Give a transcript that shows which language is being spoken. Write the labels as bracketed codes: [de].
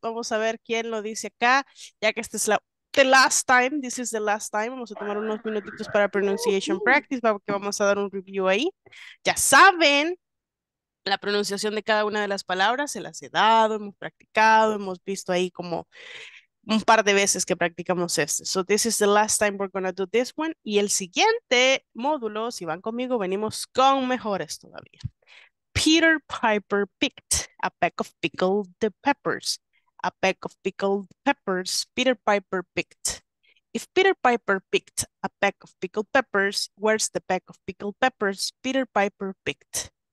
[es] Vamos a ver quién lo dice acá. Ya que este es [en] the last time. [es] Vamos a tomar unos minutitos para [en] pronunciation practice. [es] Porque vamos a dar un review ahí. Ya saben la pronunciación de cada una de las palabras. Se las he dado, hemos practicado, hemos visto ahí como un par de veces que practicamos este. [en] So this is the last time we're gonna do this one. [es] Y el siguiente módulo, si van conmigo, venimos con mejores todavía. [en] Peter Piper picked a peck of pickled peppers. A peck of pickled peppers, Peter Piper picked. If Peter Piper picked a peck of pickled peppers, where's the peck of pickled peppers Peter Piper picked?